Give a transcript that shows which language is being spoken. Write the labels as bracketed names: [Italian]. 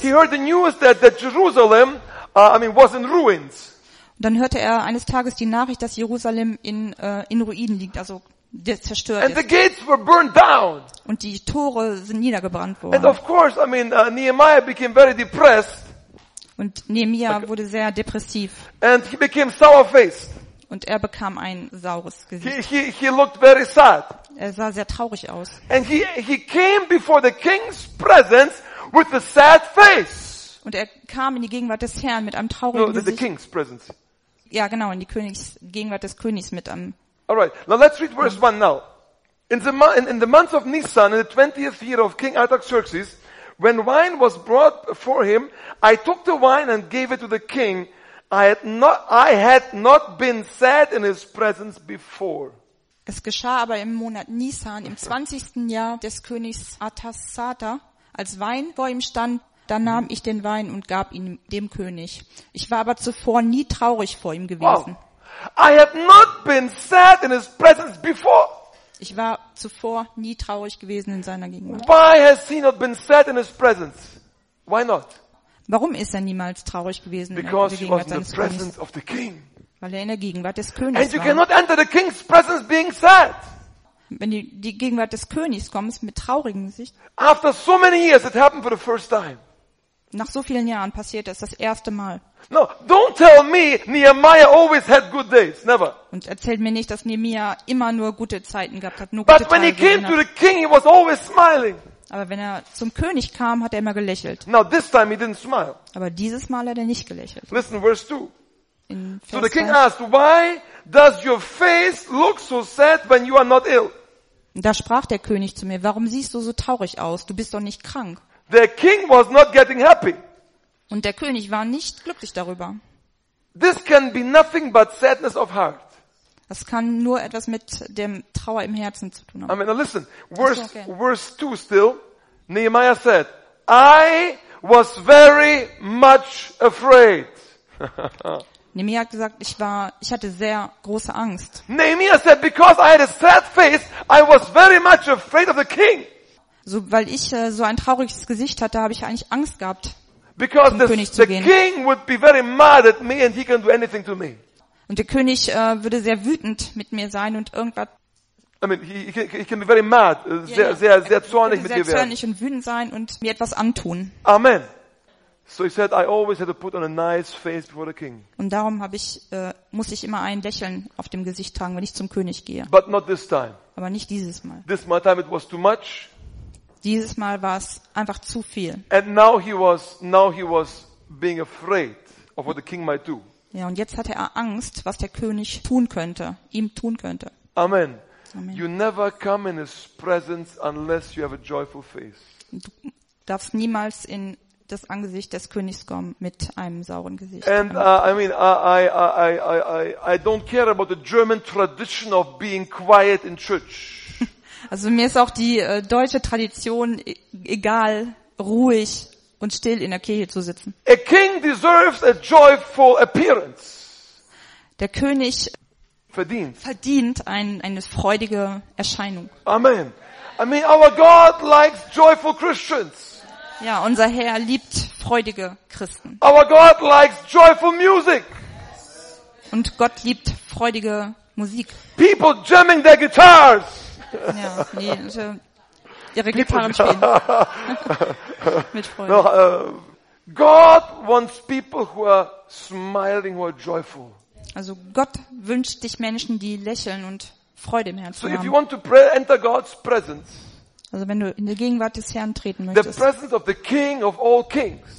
[English] He heard the news that Jerusalem, was in ruins. [German] Und dann hörte er eines Tages die Nachricht, dass Jerusalem in Ruinen liegt, also zerstört ist. [English] The gates were burned down. [German] Und die Tore sind niedergebrannt worden. [English] And of course, Nehemiah became very depressed. [German] Und Nehemiah wurde sehr depressiv. [English] And he became sour-faced. [German] Und er bekam ein saures Gesicht. [English] He looked very sad. [German] Er sah sehr traurig aus. [English] And he came before the king's presence with a sad face. [German] Und er kam in die Gegenwart des Herrn mit einem traurigen Gesicht. [English] The king's presence. [German] Ja, genau, in die Gegenwart des Königs mit einem. [English] All right. Now let's read verse 1 now. In the month of Nisan, in the 20th year of King Artaxerxes, when wine was brought before him, I took the wine and gave it to the king. I had not been sad in his presence before. [German] Es geschah aber im Monat Nisan, im 20. Jahr des Königs Artaxerxes, als Wein vor ihm stand. Dann nahm ich den Wein und gab ihn dem König. Ich war aber zuvor nie traurig vor ihm gewesen. [English] Wow. I have not been sad in his presence before. [German] Ich war zuvor nie traurig gewesen in seiner Gegenwart. [English] Why has he not been sad in his presence? Why not? [German] Warum ist er niemals traurig gewesen in der Gegenwart seines Königs? [English] Because he was in the presence of the king. [German] Weil er in der Gegenwart des Königs war. [English] And you cannot enter the king's presence being sad. [German] Wenn du die Gegenwart des Königs kommst mit traurigem Gesicht. [English] After so many years, it happened for the first time. [German] Nach so vielen Jahren passiert es das erste Mal. [English] No, don't tell me Nehemiah always had good days. Never. [German] Und erzählt mir nicht, dass Nehemiah immer nur gute Zeiten gehabt hat, nur [English] But [German] gute Tage. [English] But when he came to the king, he was always smiling. [German] Aber wenn er zum König kam, hat er immer gelächelt. [English] Now this time he didn't smile. [German] Aber dieses Mal hat er nicht gelächelt. [English] Listen, verse 2. So the king asked, "Why does your face look so sad when you are not ill?" [German] Da sprach der König zu mir, "Warum siehst du so traurig aus? Du bist doch nicht krank." [English] The king was not getting happy. [German] Und der König war nicht glücklich darüber. [English] This can be nothing but sadness of heart. [German] Das kann nur etwas mit dem Trauer im Herzen zu tun haben. [English] I mean, now listen. Verse 2 still. Nehemiah said, "I was very much afraid." [German] Nehemiah hat gesagt, ich hatte sehr große Angst. [English] Nehemiah said, "Because I had a sad face, I was very much afraid of the king." [German] So, weil ich so ein trauriges Gesicht hatte, habe ich eigentlich Angst gehabt, [English] because [German] zum König zu gehen. [English] The king would be very mad at me and he can do anything to me. [German] Und der König würde sehr wütend mit mir sein und irgendwas. [English] I mean, he can be very mad, [German] sehr, sehr, sehr zornig mit mir werden. Sehr zornig und wütend sein und mir etwas antun. [English] Amen. So he said, "I always had to put on a nice face before the king." [German] Und darum muss ich immer ein Lächeln auf dem Gesicht tragen, wenn ich zum König gehe. [English] But not this time. [German] Aber nicht dieses Mal. [English] This time it was too much. [German] Dieses Mal war es einfach zu viel. [English] And now he was being afraid of what the king might do. [German] Ja, und jetzt hatte er Angst, was der König ihm tun könnte. [English] Amen. You never come in his presence unless you have a joyful face. [German] Du darfst niemals in das Angesicht des Königs kommen mit einem sauren Gesicht. [English] And I don't care about the German tradition of being quiet in church. [German] Also mir ist auch die deutsche Tradition egal, ruhig und still in der Kirche zu sitzen. [English] A king deserves a joyful appearance. [German] Der König verdient eine freudige Erscheinung. [English] Amen. I mean, our God likes joyful Christians. [German] Ja, unser Herr liebt freudige Christen. [English] Our God likes joyful music. [German] Und Gott liebt freudige Musik. [English] People jamming their guitars. [German] Ja, nee, also ihre Gitarren spielen. Mit Freude. No, [English] God wants people who are smiling, who are joyful. [German] Also Gott wünscht dich Menschen, die lächeln und Freude im Herzen haben. [English] So if you want to enter God's presence. [German] Also wenn du in die Gegenwart des Herrn treten möchtest. [English] The presence of the King of all Kings.